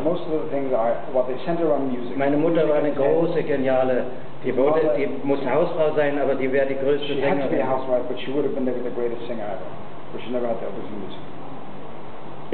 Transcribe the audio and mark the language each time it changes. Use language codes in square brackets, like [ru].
[en] Most of the things are what they center on music. [de] Meine Mutter war eine große, geniale. Die muss Hausfrau sein, aber die wäre die größte Sängerin. [en] She had to be a housewife, but she would have been the greatest singer ever. But she never had the opportunity.